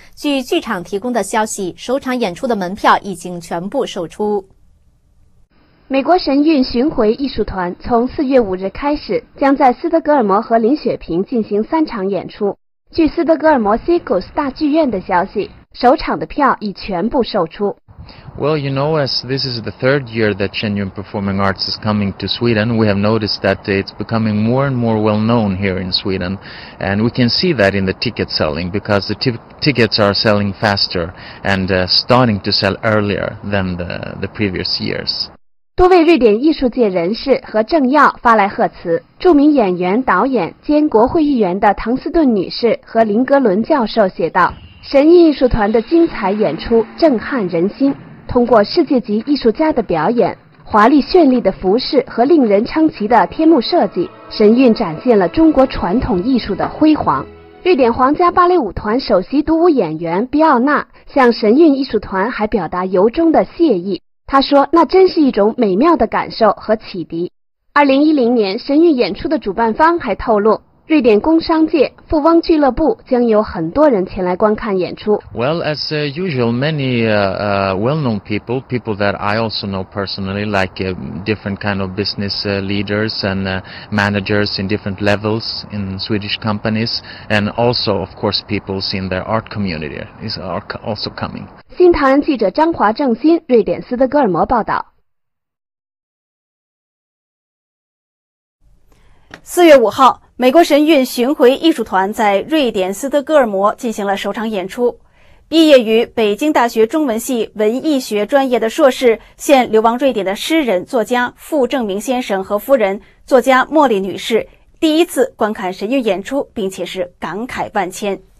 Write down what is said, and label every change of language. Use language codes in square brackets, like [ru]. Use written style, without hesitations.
[zh] 据剧场提供的消息，首场演出的门票已经全部售出。美国神韵巡回艺术团从4月5日开始，将在斯德哥尔摩和林雪平进行三场演出。据斯德哥尔摩 Cirkus 大剧院的消息，首场的票已全部售出。 [en] Well, you know, as this is the third year that Shenyun Performing Arts is coming to Sweden, we have noticed that it's becoming more and more well known here in Sweden. And we can see that in the ticket selling, because the tickets are selling faster and starting to sell earlier than the previous years. [zh] 多位瑞典艺术界人士和政要发来贺词，著名演员、导演兼国会议员的唐斯顿女士和林格伦教授写道，神韵艺术团的精彩演出震撼人心，通过世界级艺术家的表演、华丽绚丽的服饰和令人称奇的天幕设计，神韵展现了中国传统艺术的辉煌。瑞典皇家芭蕾舞团首席独舞演员比奥纳向神韵艺术团还表达由衷的谢意，他说那真是一种美妙的感受和启迪。 2010年神韵演出的主办方还透露，瑞典工商界富翁俱乐部将有很多人前来观看演出。 [en] Well, as usual, many well-known people that I also know personally, like different kind of business leaders and managers in different levels in Swedish companies, and also, of course, people in their art community is also coming. [zh] 新唐人记者张华正新，瑞典斯德哥尔摩报道。 4月5号，美国神韵巡回艺术团在瑞典斯德哥尔摩进行了首场演出。毕业于北京大学中文系文艺学专业的硕士，现流亡瑞典的诗人、作家傅正明先生和夫人、作家莫莉女士第一次观看神韵演出，并且是感慨万千。